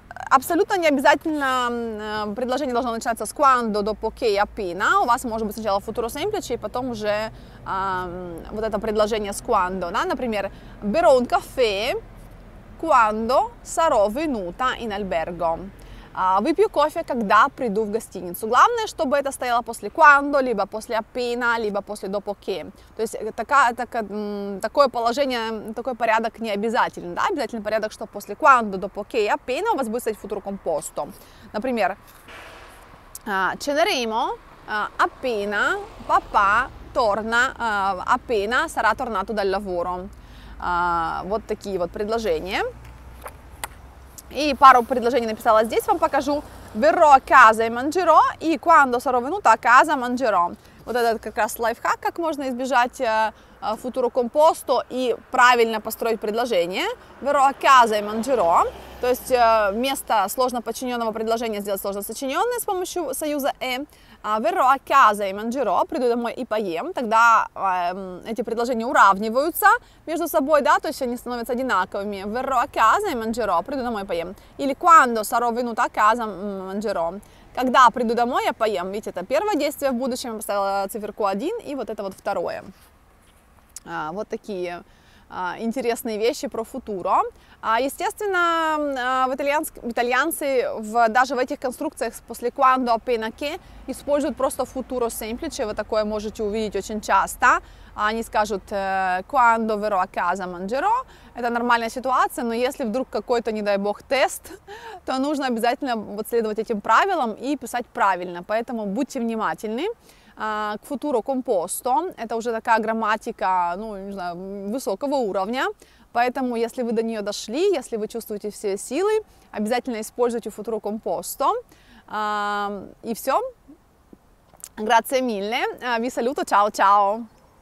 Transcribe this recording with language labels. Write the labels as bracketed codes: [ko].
[ru] Абсолютно не обязательно предложение должно начинаться с quando, dopo che, appena. У вас может быть сначала futuro semplice и потом уже вот это предложение с quando. Да? Например, [it] berrò un caffè quando sarò venuta in albergo. [ru] Выпью кофе, когда приду в гостиницу. Главное, чтобы это стояло после quando, либо после appena, либо после dopo che. То есть такое положение, такой порядок не обязателен. Да? Обязательный порядок, что после quando, dopo che и appena у вас будет стоять futuro composto. Например, [it] ceneremo appena papà torna, appena sarà tornato dal lavoro. [ru] Вот такие вот предложения. И пару предложений написала здесь, вам покажу. [it] Verrò a casa e mangerò, [ru] и [it] quando sarò venuta a casa mangerò. [ru] Вот этот как раз лайфхак, как можно избежать futuro composto и правильно построить предложение. [it] Verrò a casa e mangerò, [ru] то есть вместо сложно подчиненного предложения сделать сложно сочиненное с помощью союза e. [it] Verrò a casa e mangerò, [ru] приду домой и поем. [it] Тогда эти предложения уравниваются между собой, да, то есть они становятся одинаковыми. Verrò a casa e mangerò, [ru] приду домой и поем. Или [it] quando sarò venuta a casa mangerò. [ru] Когда приду домой, я поем. Видите, это первое действие в будущем, я поставила циферку 1, и вот это вот второе. Вот такие интересные вещи про футуро. Естественно, итальянцы даже в этих конструкциях после quando, appena, che используют просто futuro semplice. Вы такое можете увидеть очень часто. Они скажут [it] quando verrò a casa mangerò. [ru] Это нормальная ситуация, но если вдруг какой-то, не дай бог, тест, то нужно обязательно вот следовать этим правилам и писать правильно. Поэтому будьте внимательны. К футуро компосто, это уже такая грамматика, ну, не знаю, высокого уровня, поэтому, если вы до нее дошли, если вы чувствуете все силы, обязательно используйте футуро компосто, и все, [it] grazie mille, vi saluto, ciao, ciao!